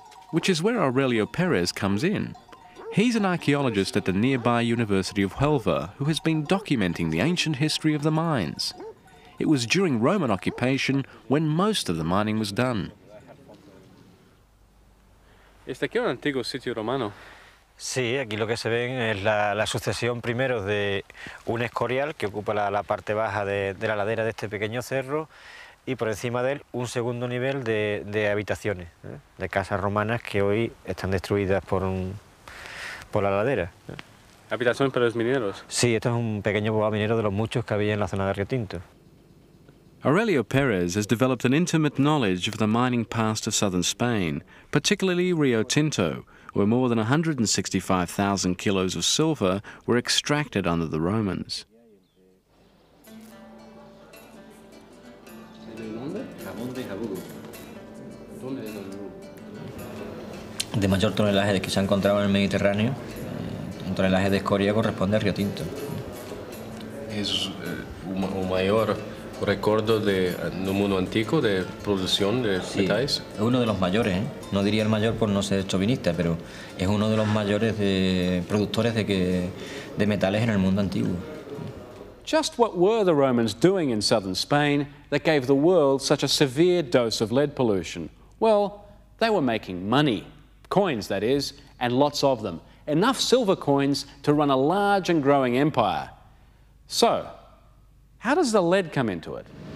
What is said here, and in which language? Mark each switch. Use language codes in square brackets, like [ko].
[en] Which is where Aurelio Perez comes in. He's an archaeologist at the nearby University of Huelva who has been documenting the ancient history of the mines. It was during Roman occupation when most of the mining was done. [es] Este aquí es un antiguo sitio romano. Sí, aquí lo que se ve es la sucesión primero de un escorial que ocupa la parte baja de la ladera de este pequeño cerro y por encima de él un segundo nivel de habitaciones, de casas romanas que hoy están destruidas por la ladera. ¿Habitaciones para los mineros? Sí, esto es un pequeño poblado minero de los muchos que había en la zona de Río Tinto. [en] Aurelio Perez has developed an intimate knowledge of the mining past of southern Spain, particularly Rio Tinto, where more than 165,000 kilos of silver were extracted under the Romans. [es] de mayor tonelaje que se ha encontrado en el Mediterráneo, un tonelaje de escoria corresponde a Río Tinto. Es un mayor recuerdo de un mundo antiguo de producción de metales. Es uno de los mayores, No diría el mayor por no ser chauvinista, pero es uno de los mayores de productores de metales en el mundo antiguo. [en] Just what were the Romans doing in southern Spain that gave the world such a severe dose of lead pollution? Well, they were making money, coins that is, and lots of them. Enough silver coins to run a large and growing empire. So, how does the lead come into it?